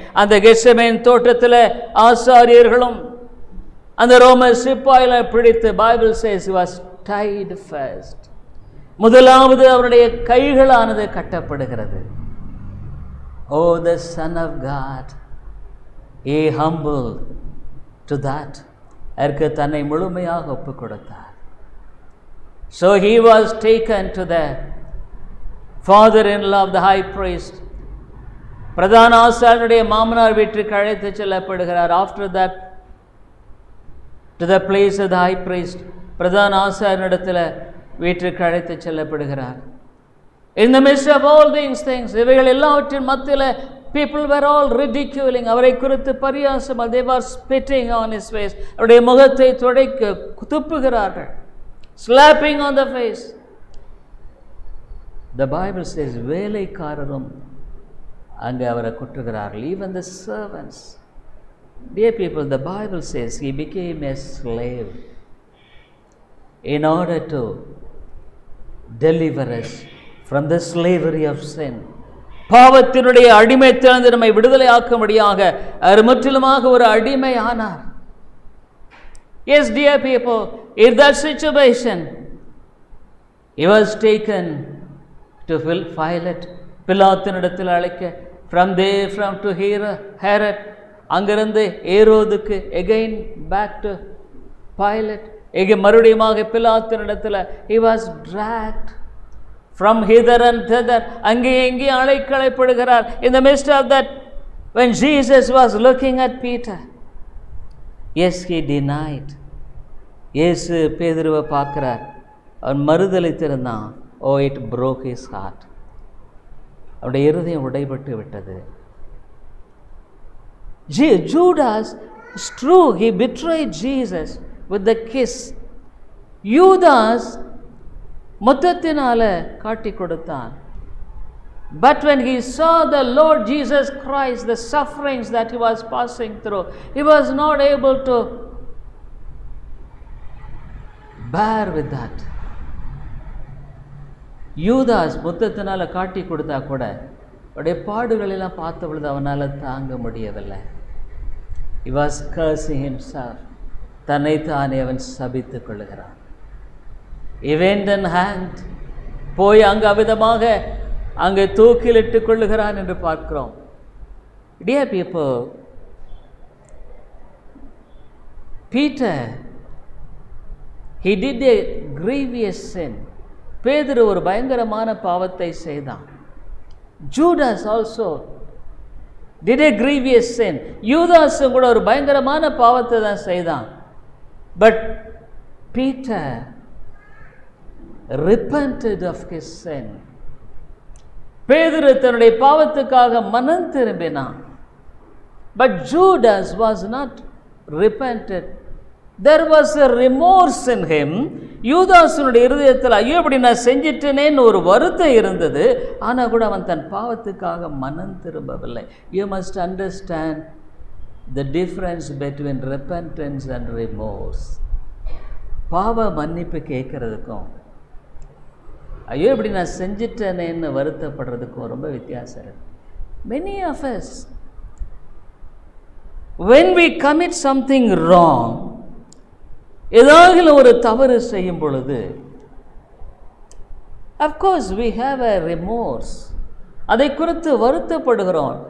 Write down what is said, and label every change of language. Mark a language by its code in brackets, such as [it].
[en] And the Gethsemane [ta] thottathile aasariyargalum [en] and the Roman [ta] sipaiyala pidithu, [en] Bible says he was tied first. [ta] Mudhalavathu avanudaiya kaigalanadu kattapadugirathu. [en] Oh, the Son of God, he humbled to that. [ta] அதற்கு தன்னை முழுமையாக ஒப்பு கொடுத்தார். [en] So he was taken to the father-in-law of the high priest. [ta] பிரதான ஆசாரியனுடைய மாமனார் வீட்டுக்கு அழைத்து செல்லப்படுகிறார். [en] After that, to the place of the high priest, [ta] பிரதான ஆசாரியனிடத்தில் வீட்டுக்கு அழைத்து செல்லப்படுகிறார். [en] In the midst of all these things, [ta] இவைகள் எல்லாவற்றின் மத்தியில் [en] people were all ridiculing. [ta] அவரை குறித்து பரியாசம், [en] they were spitting on his face. [ta] அவருடைய முகத்தை துடைக்க துப்புகிறார்கள், [en] slapping on the face. The Bible says [ta] வேலைக்காரரும் அங்கே அவரை குற்றுகிறார்கள், [en] even the servants. Dear people, the Bible says he became a slave in order to deliver us from the slavery of sin. [ta] பாவத்தினுடைய அடிமைத்திலிருந்து நம்மை விடுதலை ஆக்கும்படியாக அவர் முற்றிலுமாக ஒரு அடிமையானார். [en] Yes, dear people, in that situation, he was taken to Pilate. [ta] பிலாத்தினிடத்தில் அழைக்க, [en] from there, from to Herod, [ta] அங்கிருந்து ஏரோதுக்கு, [en] again back to Pilate. [ta] இங்கே மறுபடியுமாக பிலாத்தினிடத்தில், [en] he was dragged from hither and thither, [ta] அங்கே இங்கே அழைக்கப்படுகிறார். [en] In the midst of that, when Jesus was looking at Peter, yes, he denied. [ta] இயேசு பேதுருவை பார்க்கிறார், அவன் மறுதலித்திருந்தான். [en] oh, it broke his heart, [ta] அவருடைய இருதயம் உடைபட்டு விட்டது. [en] Judas true, he betrayed Jesus with the kiss. [ta] யூதாஸ் மொத்தத்தினால காட்டி கொடுத்தான். [en] But when he saw the Lord Jesus Christ, the sufferings that he was passing through, he was not able to bear with that. [ta] யூதாஸ் மொத்தத்தினால காட்டி கொடுத்தா கூட அவருடைய பாடுகளெல்லாம் பார்த்த பொழுது அவனால் தாங்க முடியவில்லை. [en] He was cursing himself. [ta] தன்னைத்தானே அவன் சபித்துக் கொள்ளுகிறான். [en] He went and hanged. [ta] போய் அங்கு அவிதமாக அங்கே தூக்கிலிட்டுக் கொள்ளுகிறான் என்று பார்க்கிறோம். [en] Dear people, Peter, he did a grievous sin. [ta] பேதுரு ஒரு பயங்கரமான பாவத்தை செய்தான். [en] Judas also did a grievous sin. [ta] யூதாஸும் கூட ஒரு பயங்கரமான பாவத்தை தான் செய்தான். [en] But Peter repented of his sin. [ta] பேதுரு தன்னுடைய பாவத்துக்காக மனம் திரும்பினான். [en] But Judas was not repented. There was a remorse in him. [ta] யூதாசுனுடைய இருதயத்தில் ஐயோ இப்படி நான் செஞ்சிட்டேனேன்னு ஒரு வருத்தம் இருந்தது. ஆனால் கூட அவன் தன் பாவத்துக்காக மனம் திரும்பவில்லை. [en] You must understand the difference between repentance and remorse. [ta] பாவ மன்னிப்பு கேட்கறதுக்கும் ஐயோ இப்படி நான் செஞ்சிட்டேனேன்னு வருத்தப்படுறதுக்கும் ரொம்ப வித்தியாசம் இருக்கு. [en] Many of us, when we commit something wrong, [ta] ஏதாவது ஒரு தவறு செய்யும் பொழுது [en] of course we have a remorse, [ta] அதை குறித்து வருத்தப்படுகிறோம்.